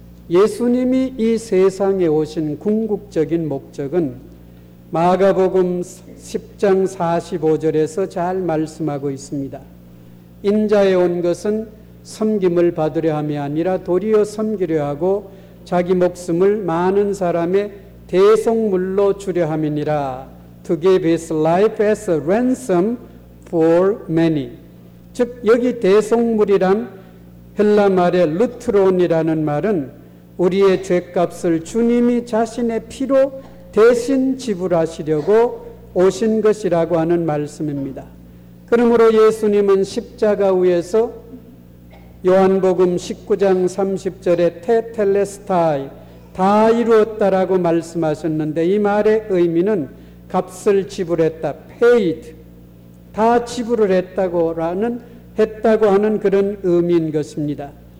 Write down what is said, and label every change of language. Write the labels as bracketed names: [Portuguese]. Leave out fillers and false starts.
[Korean] 예수님이 이 세상에 오신 궁극적인 목적은 마가복음 10장 45절에서 잘 말씀하고 있습니다. 인자에 온 것은 섬김을 받으려 함이 아니라 도리어 섬기려 하고 자기 목숨을 많은 사람의 대속물로 주려 함이니라. [English] To give his life as a ransom for many. [Korean] 즉 여기 대속물이란 헬라 말의 루트론이라는 말은 우리의 죄값을 주님이 자신의 피로 대신 지불하시려고 오신 것이라고 하는 말씀입니다. 그러므로 예수님은 십자가 위에서 요한복음 19장 30절에 테텔레스타이 다 이루었다라고 말씀하셨는데 이 말의 의미는 값을 지불했다, paid, 다 지불을 했다고 하는 그런 의미인 것입니다.